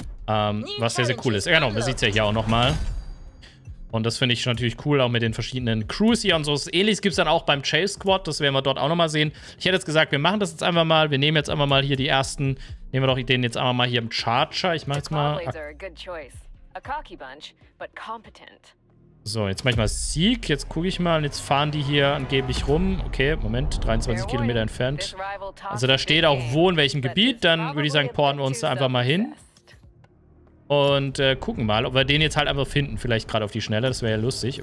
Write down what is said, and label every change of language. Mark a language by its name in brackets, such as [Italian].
[German] Was sehr, sehr cool ist. Genau, man sieht es ja hier auch nochmal. Und das finde ich natürlich cool, auch mit den verschiedenen Crews hier und so. Ähnliches gibt es dann auch beim Chase Squad. Das werden wir dort auch nochmal sehen. Ich hätte jetzt gesagt, wir machen das jetzt einfach mal. Wir nehmen jetzt einfach mal hier die ersten. Nehmen wir doch den jetzt einfach mal hier im Charger. Ich mache jetzt mal. [English] A cocky bunch, but competent. [German] So, jetzt mach ich mal Sieg. Jetzt gucke ich mal. Jetzt fahren die hier angeblich rum. Okay, Moment. 23 Kilometer entfernt. Also da steht auch, wo in welchem Gebiet. Dann würde ich sagen, porten wir uns da einfach mal hin. Und gucken mal, ob wir den jetzt halt einfach finden. Vielleicht gerade auf die Schnelle. Das wäre ja lustig.